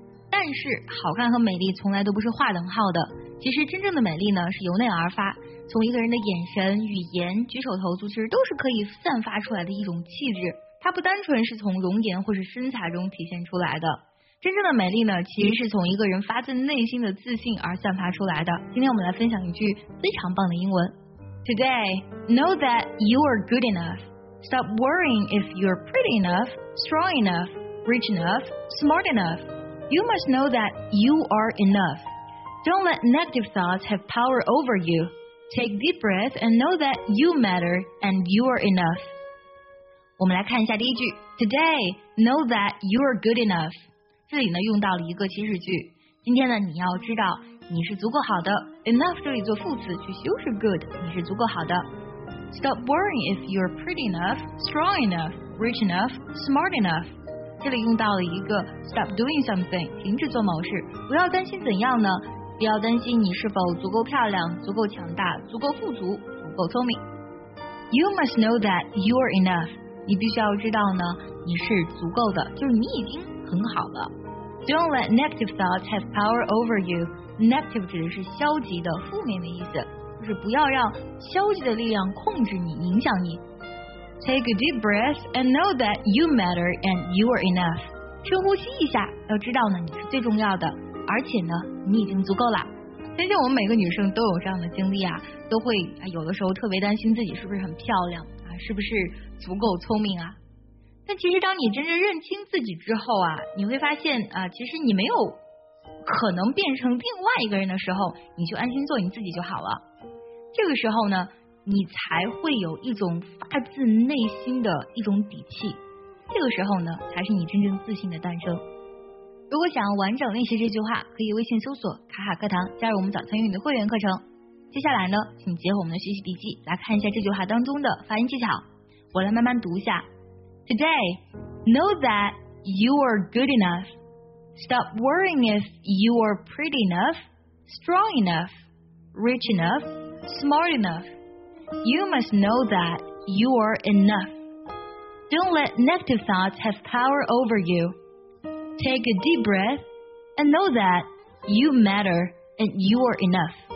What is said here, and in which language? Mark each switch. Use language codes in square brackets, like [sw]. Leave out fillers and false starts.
[zh] 但是好看和美丽从来都不是划等号的，其实真正的美丽呢是由内而发，从一个人的眼神、语言、举手投足其实都是可以散发出来的一种气质，它不单纯是从容颜或是身材中体现出来的。真正的美丽呢其实是从一个人发自内心的自信而散发出来的。今天我们来分享一句非常棒的英文， [en] Today, know that you are good enough. Stop worrying if you are pretty enough, strong enough, rich enough, smart enough. You must know that you are enough. Don't let negative thoughts have power over you. Take deep breath and know that you matter and you are enough. [zh] 我们来看一下第一句， [en] Today, know that you are good enough. [zh] 这里呢用到了一个祈使句，今天呢你要知道你是足够好的。 Enough 这里做副词去修饰 good， 你是足够好的。 [en] Stop worrying if you are pretty enough, strong enough, rich enough, smart enough. [zh] 这里用到了一个 [en] stop doing something， [zh] 停止做某事。不要担心怎样呢？不要担心你是否足够漂亮、足够强大、足够富足、足够聪明。 [en] You must know that you are enough。 [zh] 你必须要知道呢，你是足够的，就是你已经很好了。 [en] Don't let negative thoughts have power over you。 [zh] Negative 指的是消极的、负面的意思，就是不要让消极的力量控制你、影响你。 [en] Take a deep breath and know that you matter and you are enough. [zh] 深呼吸一下，要知道呢，你是最重要的，而且呢，你已经足够了。相信我们每个女生都有这样的经历啊，都会有的时候特别担心自己是不是很漂亮啊，是不是足够聪明啊。但其实当你真正认清自己之后啊，你会发现啊，其实你没有可能变成另外一个人的时候，你就安心做你自己就好了。这个时候呢，你才会有一种发自内心的一种底气，这个时候呢才是你真正自信的诞生。如果想要完整练习这句话，可以微信搜索卡卡课堂，加入我们早餐英语的会员课程。接下来呢请结合我们的学习笔记来看一下这句话当中的发音技巧，我来慢慢读一下。 [en] Today, know that you are good enough. Stop worrying if you are pretty enough, strong enough, rich enough, smart enoughYou must know that you are enough. Don't let negative thoughts have power over you. Take a deep breath and know that you matter and you are enough.